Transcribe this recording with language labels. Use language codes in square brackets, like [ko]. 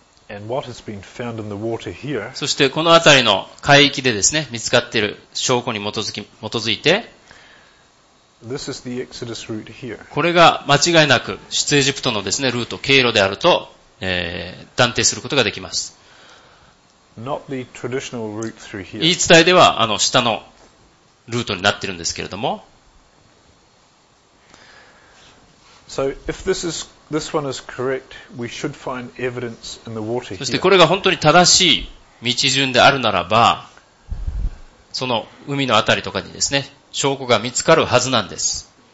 [en] and what has been found in the water here, [ja] そしてこの辺りの海域でですね、見つかっている証拠に基づいて、 [en] this is the Exodus route here. [ja] これが間違いなく出エジプトのですね、ルート、経路であると、断定することができます。 [en] Not the traditional route through here. [ja] 言い伝えでは、あの、下のルートになっているんですけれども。 [en] So if this one is correct, we should find evidence in the water here. [ja] そしてこれが本当に正しい道順であるならば、その海のあたりとかにですね、証拠が見つかるはずなんです。